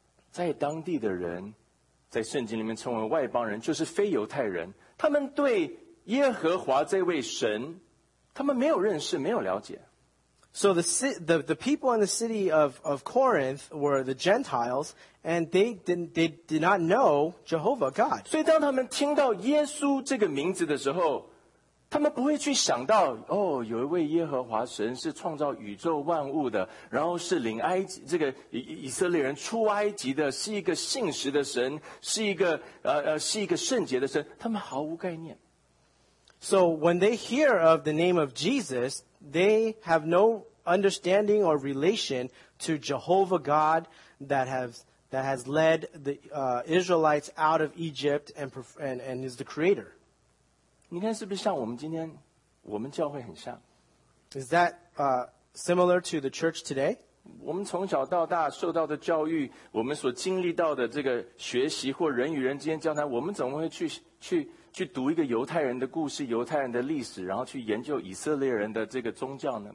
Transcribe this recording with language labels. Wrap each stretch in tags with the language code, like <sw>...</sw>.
<zh>在当地的人, 在圣经里面称为外邦人, 就是非犹太人, 他们对耶和华这位神, 他们没有认识, 没有了解。</zh> <en>So the people in the city of Corinth were the Gentiles, and they did not know Jehovah God.</en> <zh>所以当他们听到耶稣这个名字的时候, 他们不会去想到, 哦, 有一位耶和华神是创造宇宙万物的, 然后是领埃及, 这个, 以色列人出埃及的, 是一个信实的神, 是一个, 是一个圣洁的神, 他们毫无概念。</zh> <en>So when they hear of the name of Jesus, they have no understanding or relation to Jehovah God that has led the Israelites out of Egypt and is the creator.</en> <zh>你看是不是像我们今天我们教会很像?</zh> <en>Is that similar to the church today?</en> <zh>我们从小到大受到的教育，我们所经历到的这个学习或人与人之间交谈，我们怎么会去？去读一个犹太人的故事，犹太人的历史, 然后去研究以色列人的这个宗教呢?</zh>